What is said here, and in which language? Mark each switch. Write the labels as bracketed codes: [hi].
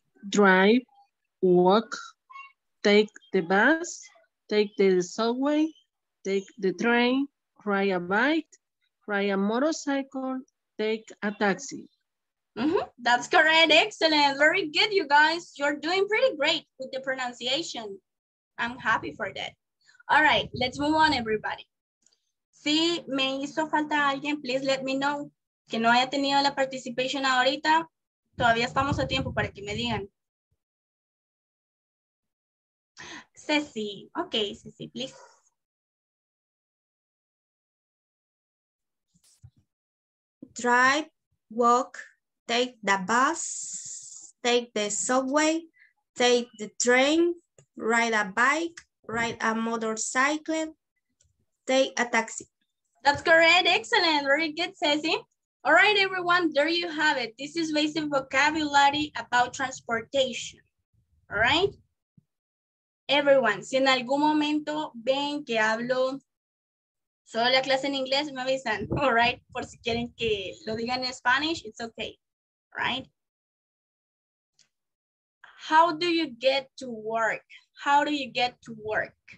[en] Drive, walk, take the bus, take the subway, take the train, ride a bike, ride a motorcycle, take a taxi. Mm-hmm. That's correct. Excellent. Very good, you guys. You're doing pretty great with the pronunciation. I'm happy for that. All right, let's move on, everybody. [es] Si me hizo falta alguien, [en] please let me know. [es] Que no haya tenido la participación ahorita, todavía estamos a tiempo para que me digan. [en] Ceci, ok, Ceci, please. Drive, walk, take the bus, take the subway, take the train, ride a bike, ride a motorcycle, take a taxi. That's correct, excellent, very good, Ceci. All right, everyone, there you have it. This is basic vocabulary about transportation, all right? [es] Everyone, si en algún momento ven que hablo solo la clase en inglés, me avisan, all right? Por si quieren que lo digan en Spanish, [en] it's okay, [es] right? [en] How do you get to work? How do you get to work?